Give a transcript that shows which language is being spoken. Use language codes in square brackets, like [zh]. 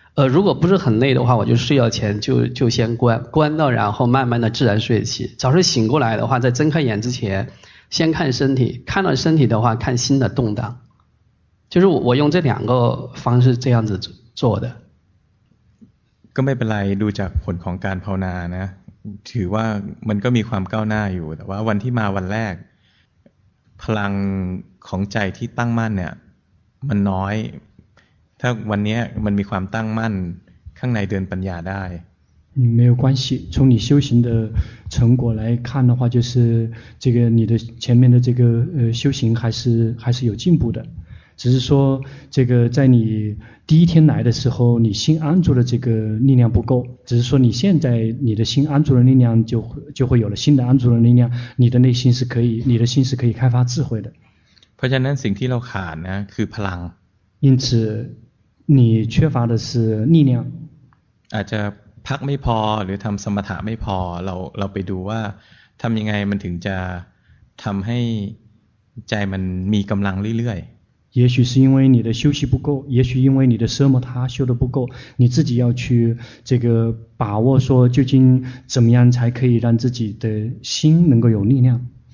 [zh] 如果不是很累的话，我就睡觉前就先关到，然后慢慢的自然睡起。早上醒过来的话，在睁开眼之前先看身体，看到身体的话看心的动荡，就是我用这两个方式这样子做的。 [th] ก็ไม่เป็นไรดูจากผลของการภาวนานะถือว่ามันก็มีความก้าวหน้าอยู่แต่ว่าวันที่มาวันแรกพลังของใจที่ตั้งมั่นเนี่ยมันน้อยถ้าวันนี้มันมีความตั้งมั่นข้างในเดินปัญญาได้ [zh] 没有关系，从你修行的成果来看的话，就是这个你的前面的这个修行还是有进步的。只是说这个在你第一天来的时候你心安住的这个力量不够，只是说你现在你的心安住的力量就会有了新的安住的力量，你的内心是可以，你的心是可以开发智慧的。 [th] เพราะฉะนั้นสิ่งที่เราขาดนะคือพลัง [zh] 因此你缺乏的是力量。 [th] อาจจะพักไม่พอหรือทำสมถะไม่พอเราไปดูว่าทำยังไงมันถึงจะทำให้ใจมันมีกำลังเรื่อยๆ [zh] 也许是因为你的休息不够，也许因为你的奢摩他修的不够，你自己要去这个把握说究竟怎么样才可以让自己的心能够有力量。